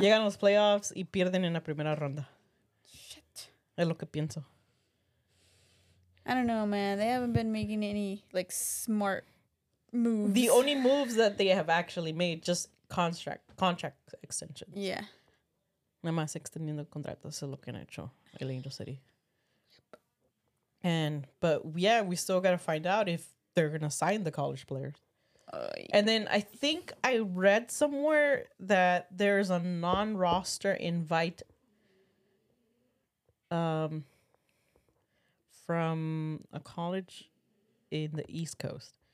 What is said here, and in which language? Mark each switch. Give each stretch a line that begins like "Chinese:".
Spanish: Llegan a los playoffs y pierden en la primera ronda.
English: Shit.
Spanish: Es lo que pienso.
English: I don't know, man. They haven't been making any like smart moves. The only moves that they have actually made just contract extensions. Yeah.
Spanish: Nada más extendiendo contratos es lo que han hecho el Angel City.
English: But we still got to find out if they're going to sign the college players. And then I think I read somewhere that there's a non-roster invite from a college in the East Coast.